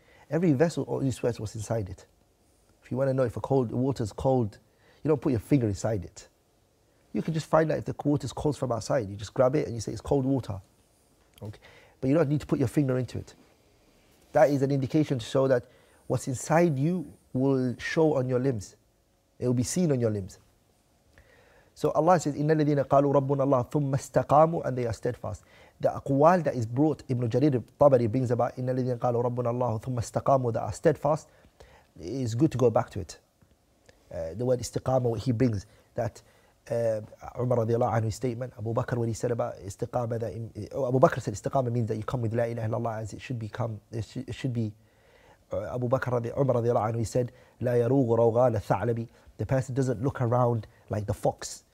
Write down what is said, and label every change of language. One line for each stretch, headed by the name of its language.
English: Every vessel always sweats what's inside it. If you want to know if a cold water is cold, you don't put your finger inside it. You can just find out if the water is cold from outside. You just grab it and you say it's cold water. Okay. But you don't need to put your finger into it. That is an indication to show that what's inside you will show on your limbs. It will be seen on your limbs. So Allah says,
Arabic: إِنَّ الَّذِينَ قَالُوا رَبُّنَ اللَّهُ ثُمَّ اسْتَقَامُوا.
English: And they are steadfast. The aqwal that is brought, Ibn Jarir Tabari brings about,
Arabic: إِنَّ الَّذِينَ قَالُوا رَبُّنَ اللَّهُ ثُمَّ اسْتَقَامُوا,
English: that are steadfast, it's good to go back to it. The word istiqama, what he brings, that Umar radiallahu anhu's statement, Abu Bakr, what he said about istiqama, Abu Bakr said istiqama means that you come with la ilaha illallah as it should become, Abu Bakr, Umar radiallahu anhu, he said,
Arabic: la yarugu rawgal al-tha'labi,
English: the person doesn't look around like the fox.